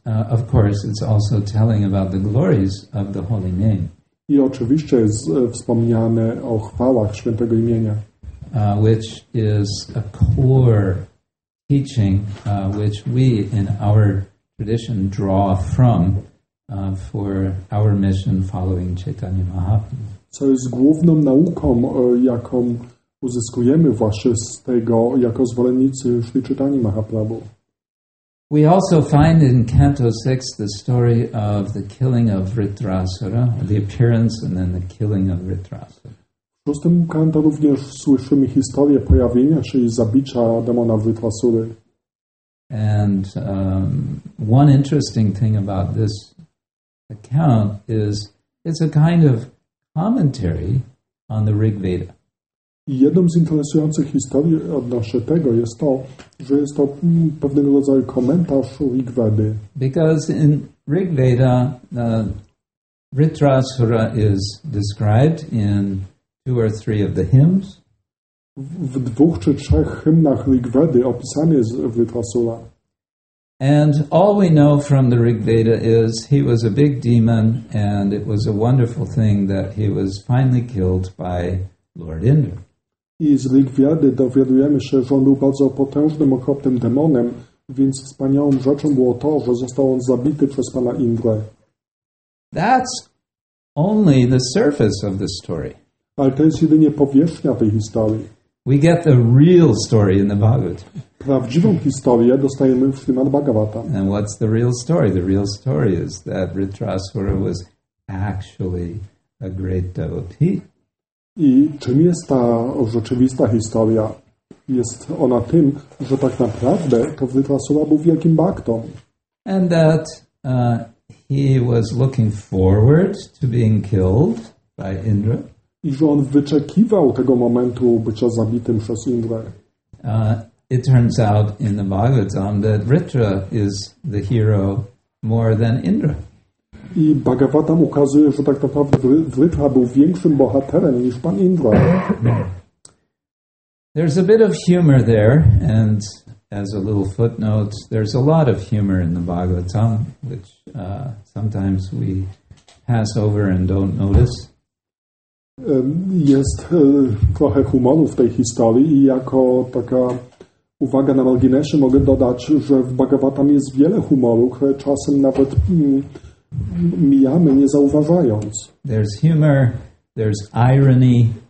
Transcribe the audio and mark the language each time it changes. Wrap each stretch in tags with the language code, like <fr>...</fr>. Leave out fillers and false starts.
<en>Of course, it's also telling about the glories of the holy name.</en> <pl>I oczywiście jest wspomniane o chwałach świętego imienia,</pl> <en>which is a core teaching which we in our tradition draw from for our mission following Chaitanya Mahaprabhu.</en> <pl>Co jest główną nauką, jaką uzyskujemy właśnie z tego jako zwolennicy Śri Chaitanya Mahaprabhu.</pl> <en>We also find in Canto 6 the story of the killing of Vritrasura, the appearance and then the killing of Vritrasura.</en> <pl>W szóstym kanto również słyszymy historię pojawienia się i zabicia demona Vritrasury.</pl> <en>And one interesting thing about this account is it's a kind of commentary on the Rig Veda.</en> <pl>I jedną z interesujących historii odnośnie tego jest to, że jest to pewnego rodzaju komentarz Rig Vedy.</pl> <en>Because in Rig Veda, Vritrasura is described in two or three of the hymns.</en> <pl>W dwóch czy trzech hymnach Rig Vedy opisany jest Vritrasura.</pl> <en>And all we know from the Rig Veda is he was a big demon, and it was a wonderful thing that he was finally killed by Lord Indra.</en> <pl>I z Rig Wiedy dowiadujemy się, że on był bardzo potężnym, okropnym demonem, więc wspaniałą rzeczą było to, że został on zabity przez pana Indrę.</pl> <en>That's only the surface of the story.</en> <pl>Ale to jest jedynie powierzchnia tej historii.</pl> <en>We get the real story in the Bhagavad.</en> <pl>Prawdziwą historię dostajemy w Śrimad Bhagavatam.</pl> <en>And what's the real story? The real story is that Ritrasura was actually a great devotee.</en> <pl>I czym jest ta rzeczywista historia? Jest ona tym, że tak naprawdę to Ritrasura był wielkim bhaktą.</pl> <en>And that he was looking forward to being killed by Indra.</en> <pl>I że on wyczekiwał tego momentu bycia zabitym przez Indrę.</pl> <en>It turns out in the Bhagavatam that Ritra is the hero more than Indra.</en> <pl>I Bhagavatam ukazuje, że tak naprawdę Ritra był większym bohaterem niż pan Indra.</pl> <en>There's a bit of humor there, and as a little footnote, there's a lot of humor in the Bhagavatam, which sometimes we pass over and don't notice.</en> <pl>Jest trochę humoru w tej historii i jako taka uwaga na marginesie mogę dodać, że w Bhagavatam jest wiele humoru, które czasem nawet mijamy, nie zauważając.</pl> <en>There's humor, there's irony.</en>